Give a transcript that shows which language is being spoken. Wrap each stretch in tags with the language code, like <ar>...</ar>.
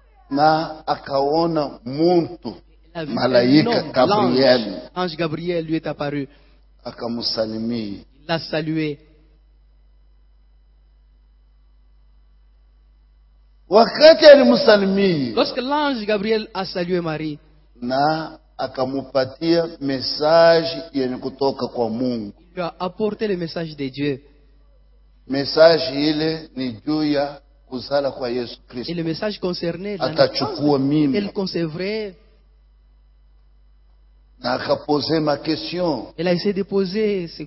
<sw>Na akaona muntu. Malaika Gabriel.</sw> <fr>Ange Gabriel lui est apparu.</fr> <sw>Akamusalimi.</sw> <fr>Il l'a salué.</fr> <sw>Wakati alimusalimi.</sw> <fr>Lorsque l'ange Gabriel a salué Marie.</fr> <sw>Na akamupatia message yenye kutoka kwa Mungu.</sw> <fr>Il a apporté le message de Dieu.</fr> <sw>Message ile ni juu ya kuzala kwa Yesu Kristo.</sw> <fr>Et le message concernait</fr> <sw>atachukua mimi.</sw> <fr>Elle concevrait. Naka poser ma question. Elle a essayé de poser ses</fr>